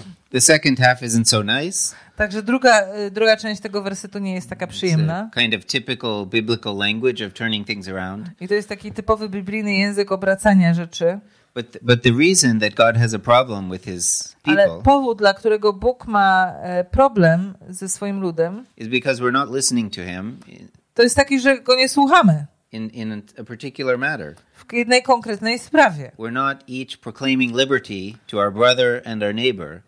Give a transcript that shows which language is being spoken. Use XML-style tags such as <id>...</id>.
<en>The second half isn't so nice.</en> <pl>Także druga część tego wersetu nie jest taka przyjemna.</pl> <en>It's a kind of typical biblical language of turning things around.</en> <pl>I to jest taki typowy biblijny język obracania rzeczy.</pl> <en>But the reason that God has a problem with his people.</en> <pl>Ale powód, dla którego Bóg ma problem ze swoim ludem.</pl> <en>Is because we're not listening to him.</en> <pl>To jest taki, że go nie słuchamy.</pl> <en>In a particular matter.</en> <pl>W jednej konkretnej sprawie.</pl> <en>We're not each proclaiming liberty to our brother and our neighbor.</en>